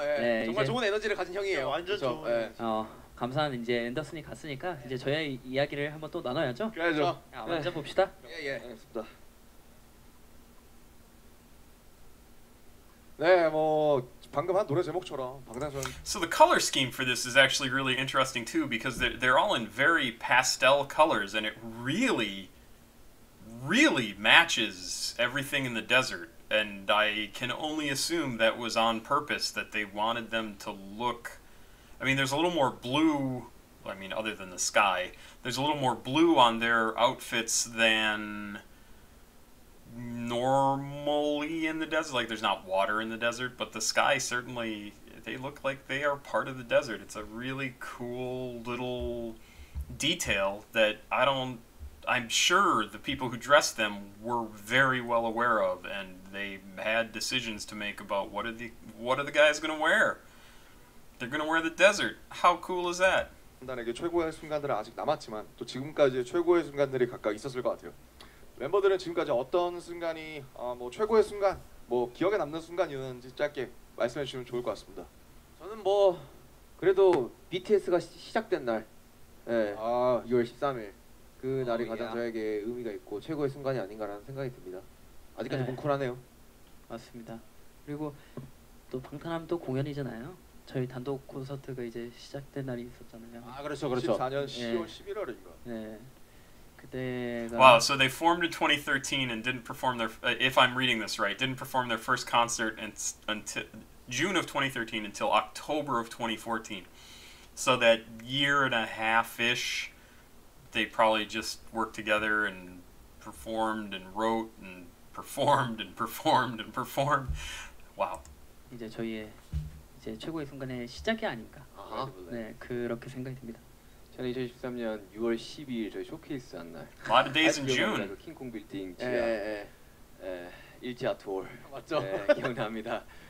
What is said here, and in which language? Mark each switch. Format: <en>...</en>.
<ko>예, 네, 정말 이제, 좋은 에너지를 가진 형이에요. 완전 좋. 예. 어, 감사한 이제 앤더슨이 갔으니까 이제 저희 이야기를 한번 또 나눠야죠. 그래죠. 먼저 네. 봅시다. 예, 예. 알겠습니다. 네, 뭐 방금 한 노래 제목처럼 방탄소년.</ko> <en>So the color scheme for this is actually really interesting too because they're all in very pastel colors and it really, really matches everything in the desert. And I can only assume that was on purpose, that they wanted them to look... I mean, there's a little more blue, I mean, other than the sky, there's a little more blue on their outfits than normally in the desert. Like, there's not water in the desert, but the sky certainly, they look like they are part of the desert. It's a really cool little detail that I don't... I'm sure the people who dressed them were very well aware of, and they had decisions to make about what are the guys gonna wear. They're gonna wear the desert. How cool is that?</en> <ko>단에게 최고의 순간들은 아직 남았지만 또 지금까지 최고의 순간들이 각각 있었을 것 같아요. 멤버들은 지금까지 어떤 순간이 뭐 최고의 순간, 뭐 기억에 남는 순간이었는지 짧게 말씀해 주시면 좋을 것 같습니다. 저는 뭐 그래도 BTS가 시작된 날, 예, 아 6월 13일. 그 oh, 날이 가장 yeah. 저에게 의미가 있고 최고의 순간이 아닌가라는 생각이 듭니다. 아직까지 네. 뭉클하네요. 맞습니다. 그리고 또 방탄하면 또 공연이잖아요. 저희 단독 콘서트가 이제 시작된 날이 있었잖아요. 아 그렇죠 그렇죠. 14년 10월 네. 11월인가. 네. 그때가...</ko> <en>Wow, so they formed in 2013 and didn't perform their, if I'm reading this right, didn't perform their first concert until June of 2013 until October of 2014. So that year and a half-ish, they probably just worked together and performed and wrote and performed and performed and performed. Wow.</en> <ko>이제 저희의 이제 최고의 순간의 시작이 아닌가. 아하. 네, 그렇게 생각이 듭니다. 저는 2013년 6월 12일 저희 쇼케이스 한 날.</ko> <en>A lot of days in June.</en> <ko>킹콩 빌딩 지하. 예. 일지하 투어. 맞죠? 네, 기억납니다.</ko>